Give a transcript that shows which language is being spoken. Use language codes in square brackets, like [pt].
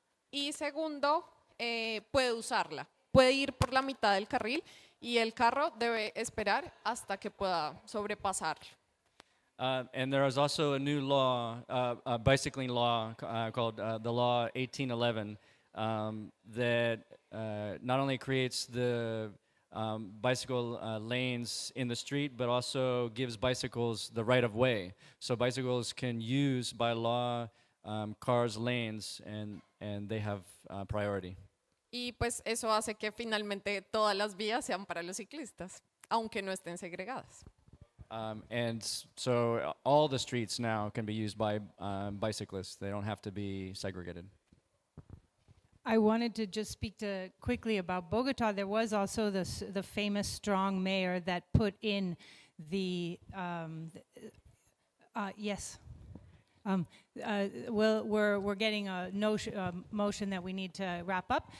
[es] Y segundo, puede usarla. Puede ir por la mitad del carril y el carro debe esperar hasta que pueda sobrepasarlo. [en] And there is also a new law, a bicycling law called the Law 1811, that not only creates the bicycle lanes in the street, but also gives bicycles the right of way. So bicycles can use by law cars' lanes, and they have priority. [es] Y pues eso hace que finalmente todas las vías sean para los ciclistas, aunque no estén segregadas. [en] And so all the streets now can be used by bicyclists. They don't have to be segregated. I wanted to just speak to quickly about Bogota. There was also the famous strong mayor that put in the, well, we're getting a motion that we need to wrap up.